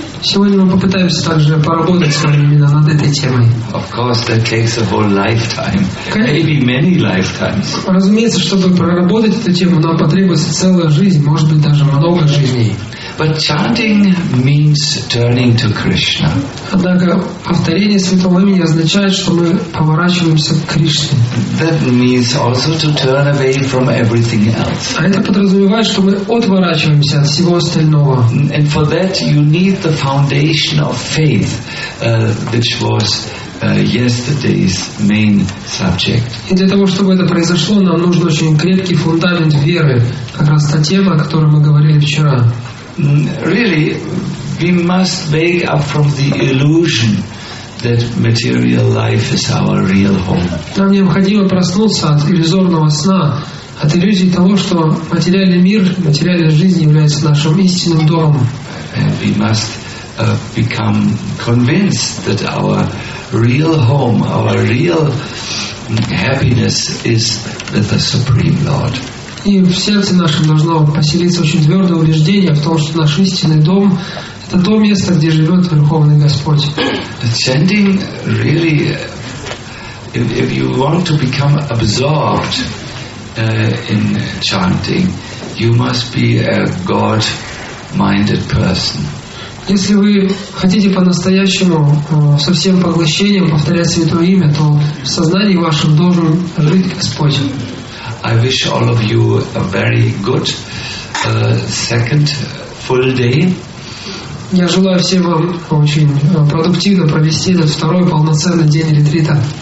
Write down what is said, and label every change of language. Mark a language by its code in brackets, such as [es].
[ru] Сегодня мы попытаемся также поработать с вами именно над этой темой. [en] Of course, that takes a whole lifetime, maybe many lifetimes. [ru] Разумеется, чтобы проработать эту тему, нам потребуется целая жизнь, может быть, даже много жизней. [en] But chanting means turning to Krishna. [ru] Однако повторение святого имени означает, что мы поворачиваемся к Кришне. [en] That means also to turn away from everything else. [ru] А это подразумевает, что мы отворачиваемся от всего остального. [en] And for that you need the foundation of faith, which was yesterday's main subject. [ru] И для того, чтобы это произошло, нам нужен очень крепкий фундамент веры, как раз та тема, о которой мы говорили вчера. [en] Really, we must wake up from the illusion that material life is our real home. [ru] Нам необходимо проснуться от иллюзорного сна, от иллюзии того, что материальный мир, материальная жизнь является нашим истинным домом. [en] And we must become convinced that our real home, our real happiness is with the Supreme Lord. [ru] И в сердце нашем должно поселиться очень твердое убеждение в том, что наш истинный дом — это то место, где живет Верховный Господь. [en] Chanting really, if you want to become absorbed in chanting, you must be a God-minded person. [ru] Если вы хотите по-настоящему со всем поглощением повторять Святое Имя, то в сознании вашем должен жить Господь. [en] I wish all of you a very good second full day. [ru] Я желаю всем вам очень продуктивно провести этот второй полноценный день ретрита.